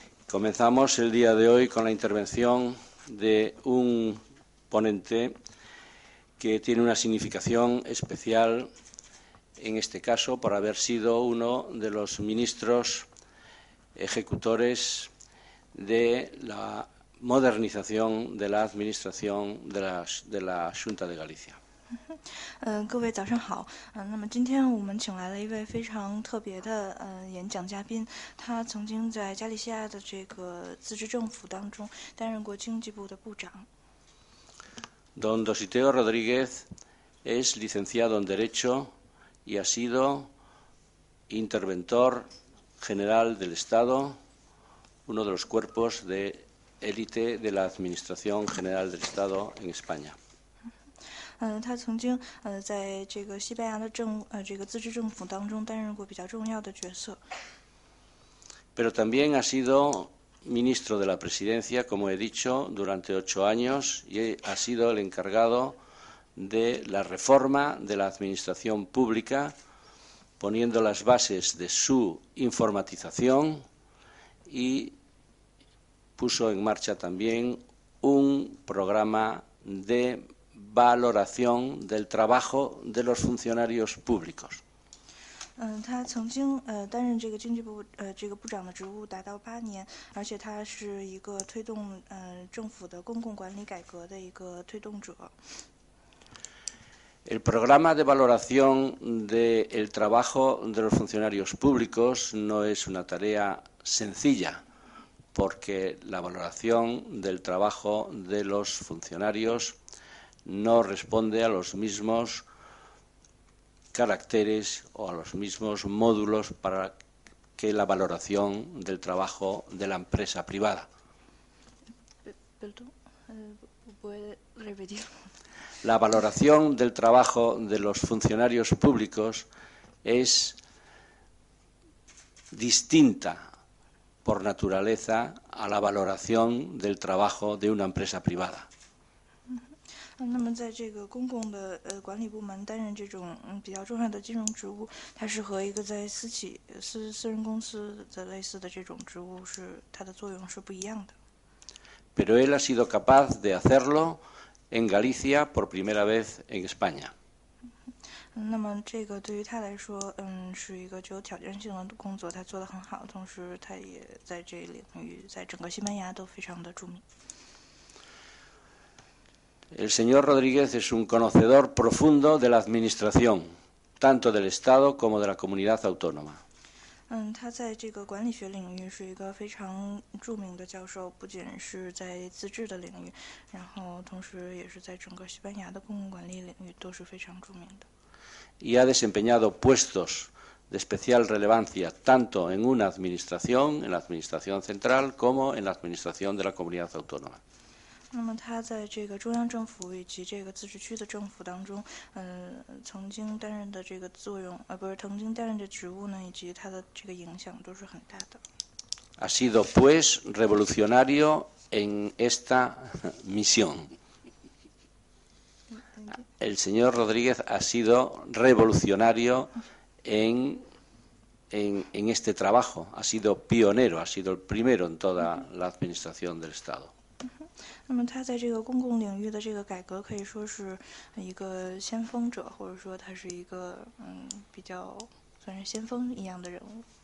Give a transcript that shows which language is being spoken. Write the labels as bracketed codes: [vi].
[es] Comenzamos el día de hoy con la intervención de un ponente que tiene una significación especial, en este caso, por haber sido uno de los ministros ejecutores de la modernización de la administración de la Xunta de Galicia. [zh] 各位早上好。那么今天我们请来了一位非常特别的演讲嘉宾，他曾经在加利西亚的这个自治政府当中担任过经济部的部长。 [es] Don Dositeo Rodríguez es licenciado en Derecho y ha sido interventor general del Estado, uno de los cuerpos de élite de la Administración General del Estado en España. [zh] 他曾经在这个西班牙的这个自治政府当中担任过比较重要的角色。 [es] Pero también ha sido ministro de la Presidencia, como he dicho, durante 8 años y ha sido el encargado de la reforma de la administración pública, poniendo las bases de su informatización y puso en marcha también un programa de valoración del trabajo de los funcionarios públicos. [zh] 他曾经担任这个经济部这个部长的职务达到8年，而且他是一个推动政府的公共管理改革的一个推动者。 [es] El programa de valoración del trabajo de los funcionarios públicos no es una tarea sencilla, porque la valoración del trabajo de los funcionarios no responde a los mismos caracteres o a los mismos módulos para que la valoración del trabajo de la empresa privada. Perdón, ¿puede repetir? La valoración del trabajo de los funcionarios públicos es distinta por naturaleza a la valoración del trabajo de una empresa privada. [zh] 那么在这个公共的管理部门担任这种比较重要的金融职务，它是和一个在私人公司的类似的这种职务是它的作用是不一样的。 [es] Pero él ha sido capaz de hacerlo en Galicia por primera vez en España. [zh] 那么这个对于他来说，是一个具有挑战性的工作，他做得很好，同时他也在这领域在整个西班牙都非常的著名。 [es] El señor Rodríguez es un conocedor profundo de la administración, tanto del Estado como de la comunidad autónoma. [zh] 他在这个管理学领域是一个非常著名的教授，不仅是在自治的领域，然后同时也是在整个西班牙的公共管理领域都是非常著名的。 [es] Y ha desempeñado puestos de especial relevancia tanto en una administración, en la administración central, como en la administración de la comunidad autónoma. [zh] 那么他在这个中央政府以及这个自治区的政府当中，曾经担任的这个作用，不是曾经担任的职务呢，以及他的这个影响都是很大的。 [es] Ha sido pues revolucionario en esta misión. El señor Rodríguez ha sido revolucionario en este trabajo. Ha sido pionero. Ha sido el primero en toda la administración del Estado. [zh] 那么他在这个公共领域的这个改革可以说是一个先锋者，或者说他是一个比较算是先锋一样的人物。